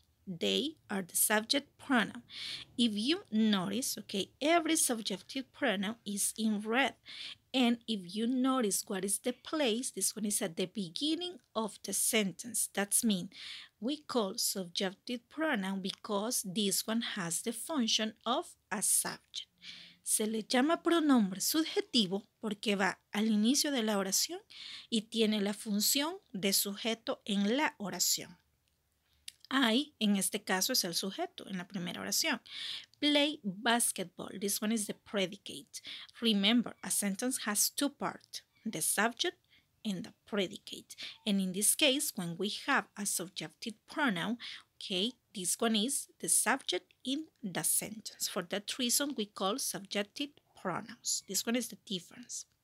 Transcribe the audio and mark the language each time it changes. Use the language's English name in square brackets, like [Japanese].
[English] they are the subject pronoun. If you notice, okay, every subjective pronoun is in red. And if you notice what is the place, this one is at the beginning of the sentence. That means we call subjective pronoun because this one has the function of a subject. [Spanish] Se le llama pronombre subjetivo porque va al inicio de la oración y tiene la función de sujeto en la oración. I, en este caso, es el sujeto en la primera oración. [English] Play basketball. This one is the predicate. Remember, a sentence has two parts, the subject and the predicate. And in this case, when we have a subjective pronoun, okay, this one is the subject in the sentence. For that reason, we call subjective pronouns. This one is the difference.